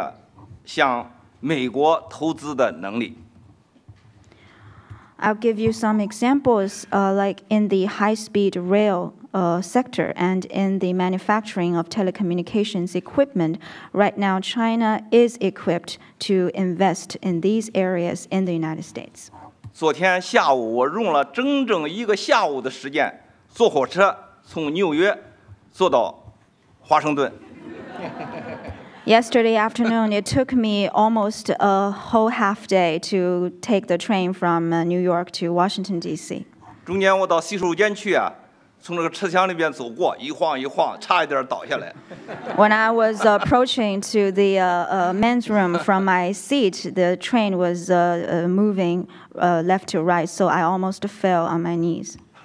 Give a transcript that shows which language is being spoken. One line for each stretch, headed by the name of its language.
Chinese: 比如说，在高铁技术上，在通讯设备制造技术上，现在中国已经具备了向美国投资的能力。
English: I'll give you some examples, like in the high-speed rail sector and in the manufacturing of telecommunications equipment. Right now, China is equipped to invest in these areas in the United States.
Chinese: 昨天下午，我用了整整一个下午的时间，坐火车从纽约坐到华盛顿。
English: Yesterday afternoon, it took me almost a whole half day to take the train from New York to Washington, D.C.
Chinese: 中间我到洗手间去啊，从那个车厢里边走过，一晃一晃，差一点倒下来。
English: When I was approaching to the men's room from my seat, the train was moving left to right, so I almost fell on my knees.